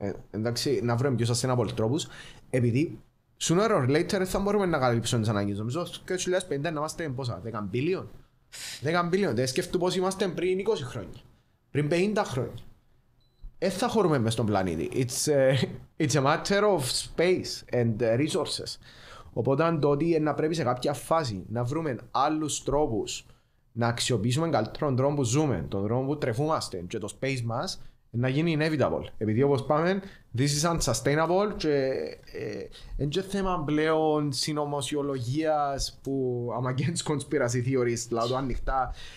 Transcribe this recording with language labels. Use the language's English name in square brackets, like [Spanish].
[Greek] Εντάξει, να βρούμε πιο sustainable τρόπους, επειδή [English] sooner or later [Greek] θα μπορούμε να καλύψουμε τις ανάγκες. Νομίζω και στους 2050 να είμαστε πόσα, 10 billion. 10 billion, δεν σκεφτούμε πώς είμαστε πριν 20 χρόνια, πριν 50 χρόνια. Δεν θα χωρούμε μέσα στον πλανήτη. [English] It's a matter of space and resources. [Greek] Οπότε το ότι να πρέπει σε κάποια φάση να βρούμε άλλους τρόπους να αξιοποιήσουμε καλύτερο τον τρόπο που ζούμε, τον τρόπο που τρεφούμαστε και το space μας, να γίνει inevitable. Επειδή όπως πάμε, [English] this is unsustainable [Greek] και είναι και θέμα πλέον συνωμοσιολογίας που [English] I'm against conspiracy theories, [Greek] λάθος ανοιχτά.